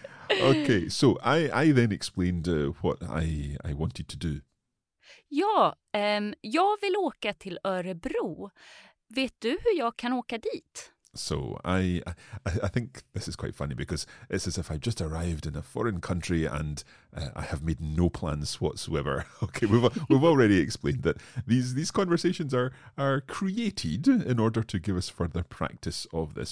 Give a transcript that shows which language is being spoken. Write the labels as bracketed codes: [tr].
[en] Okay, so I then explained what I wanted to do. [sv] Yeah, jag vill åka till Örebro. Vet du hur jag kan åka dit? [en] So I think this is quite funny because it's as if I've just arrived in a foreign country and I have made no plans whatsoever. Okay, we've already explained that these conversations are created in order to give us further practice of this.